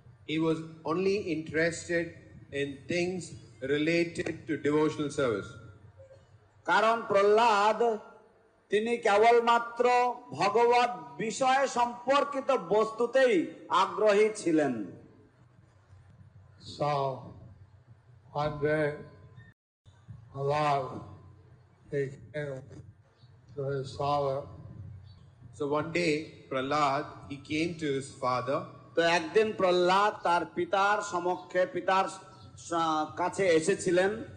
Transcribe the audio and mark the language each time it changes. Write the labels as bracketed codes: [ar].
[en] He was only interested in things related to devotional service. [bn] Karan Prahlad, তিনি কেবলমাত্র ভগবত বিষয়ে সম্পর্কিত বস্তুতেই আগ্রহী ছিলেন. [en] So, one day, Prahlad, he came to his father. So one day, Prahlad, he came to his father. [bn] তো একদিন প্রহ্লাদ তার পিতার সমক্ষে পিতার কাছে এসেছিলেন.